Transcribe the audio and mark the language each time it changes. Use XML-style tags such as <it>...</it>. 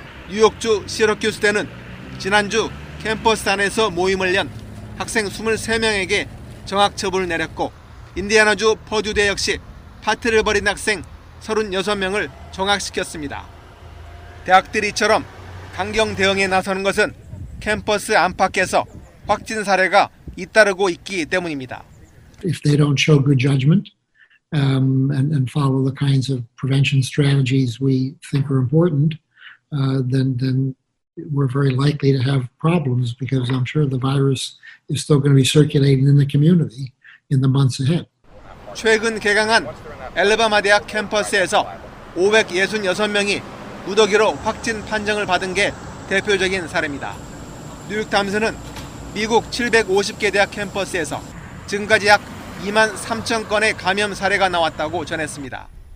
<ko>뉴욕주 시러큐스대는 지난주 캠퍼스 안에서 모임을 연 학생 23명에게 정학 처분을 내렸고 인디애나주 퍼듀대 역시 파티를 벌인 학생 36명을 정학시켰습니다. 대학들이 이처럼 강경 대응에 나서는 것은 캠퍼스 안팎에서 확진 사례가 잇따르고 있기 때문입니다.</ko> <en>If they don't show good judgment and follow the kinds of prevention strategies we think are important, then we're very likely to have problems because I'm sure the virus is still going to be circulating in the community in the months ahead.</en> <ko>최근 개강한 엘라바마 대학 캠퍼스에서 566명이 무더기로 확진 판정을 받은 게 대표적인 사례입니다. 뉴욕 탐스는 미국 750개 대학 캠퍼스에서 지금까지 약 2만 3천 건의 감염 사례가 나왔다고 전했습니다.</ko>